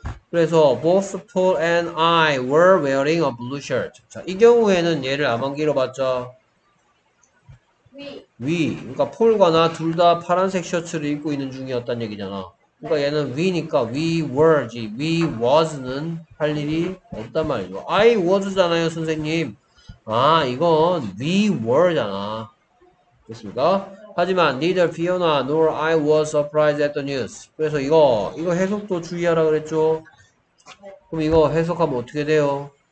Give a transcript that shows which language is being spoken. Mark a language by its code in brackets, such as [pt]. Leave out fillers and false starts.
[ko] 그래서 [en] both Paul and I were wearing a blue shirt. [ko] 자, 이 경우에는 얘를 암만 길어봤자 [en] we. [ko] 그러니까 폴과 나 둘 다 파란색 셔츠를 입고 있는 중이었단 얘기잖아. 그러니까 얘는 we니까 we were지 we was는 할 일이 없단 말이죠. I was잖아요, 선생님. 아, 이건 we were잖아. 됐습니까? 하지만 [en] neither Fiona nor I was surprised at the news. [ko] 그래서 이거 해석도 주의하라 그랬죠. 그럼 이거 해석하면 어떻게 돼요?